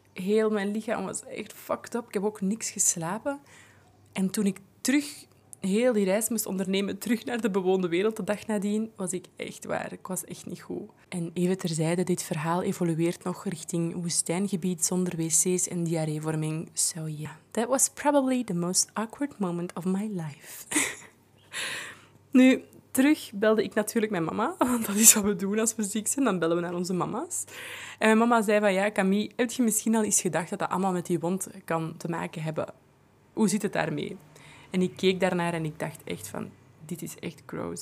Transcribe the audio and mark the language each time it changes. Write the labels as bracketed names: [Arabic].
[Dutch] Heel mijn lichaam was echt [English] fucked up. [Dutch] Ik heb ook niks geslapen. En toen ik terug heel die reis moest ondernemen terug naar de bewoonde wereld de dag nadien, was ik echt waar. Ik was echt niet goed. En even terzijde, dit verhaal evolueert nog richting woestijngebied zonder wc's en diarreevorming. [English] So yeah, that was probably the most awkward moment of my life. [Dutch] Nu, terug belde ik natuurlijk mijn mama, want dat is wat we doen als we ziek zijn. Dan bellen we naar onze mama's. En mijn mama zei van, ja Camille, heb je misschien al eens gedacht dat dat allemaal met die wond kan te maken hebben? Hoe zit het daarmee? En ik keek daarnaar en ik dacht echt van, dit is echt gross.